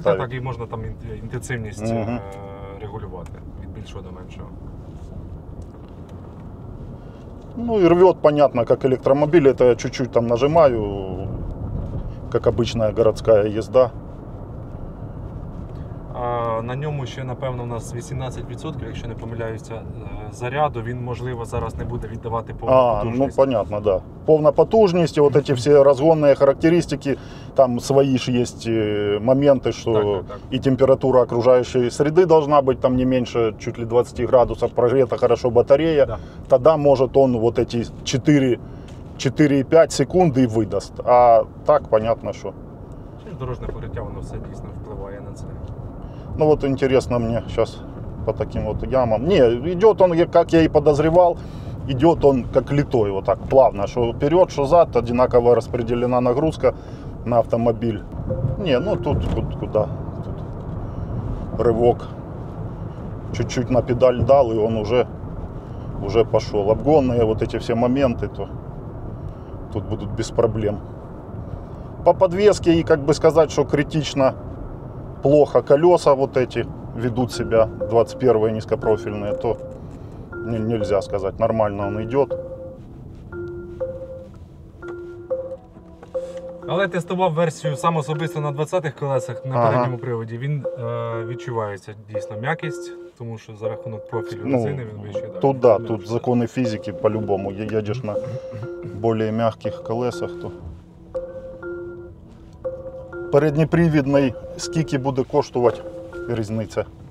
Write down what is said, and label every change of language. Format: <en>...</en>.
<ru>ставить. Так, так, и можно там интенсивность регулировать. От большого до меньшего. Ну и рвет, понятно, как электромобиль. Это я чуть-чуть там нажимаю... Как обычная городская езда.</ru> <uk>А на ньому ще, напевно, у нас 18%, якщо не помиляюся, заряду. Він, можливо, зараз не буде віддавати повну потужність.</uk> <ru>А, ну, понятно, да.</ru> <uk>Повна потужність, от ці всі розгонні характеристики, там свої ж є моменти, що і температура окружаючої середи должна бути там не менше, чуть ли 20 градусів,</uk> <ru>прогрета хорошо батарея, да.</ru> <uk>Тоді може он вот ці 4 4,5 секунди і видасть. А так, понятно, що. Дорожне покриття, воно все дійсно впливає на це. Ну, от інтересно мені зараз по таким от ямам. Ні, йде він, як я і підозрював, йде він як літой, отак, плавно. Що вперед, що зад, одинаково розподілена нагрузка на автомобіль. Ні, ну тут, тут куди. Тут ривок.</uk> <ru>Чуть-чуть на педаль дал,</ru> <uk>і він вже пішов. Обгонні от ці всі моменти, то тут будуть без проблем.</uk> <ru>По подвеске, и как бы сказать, что критично плохо колеса вот эти ведут себя, 21-е низкопрофильные, то нельзя сказать, нормально он идет.</ru> <uk>Але тестував версію сам особисто на 20-х колесах на передньому приводі. Він відчувається дійсно м'якість, тому що за рахунок профілю резини він вищий. Тут да, тут закони фізики по-любому. Їдеш на більш м'яких колесах, то переднепривідний скільки буде коштувати різниця?</uk>